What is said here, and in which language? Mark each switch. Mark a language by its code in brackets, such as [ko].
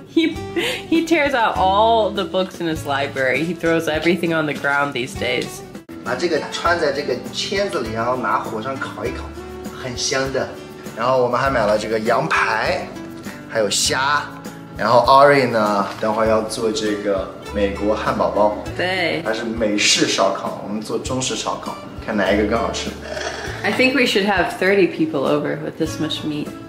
[en] He tears out all the books in his library. He throws everything on the ground these days. [zh] 把这个穿在这个签子里，然后拿火上烤一烤，很香的。然后我们还买了这个羊排，还有虾。然后 Ari 呢，等会要做这个美国汉堡包，对，它是美式烧烤，我们做中式烧烤，看哪一个更好吃。 [en] I think we should have 30 people over with this much meat.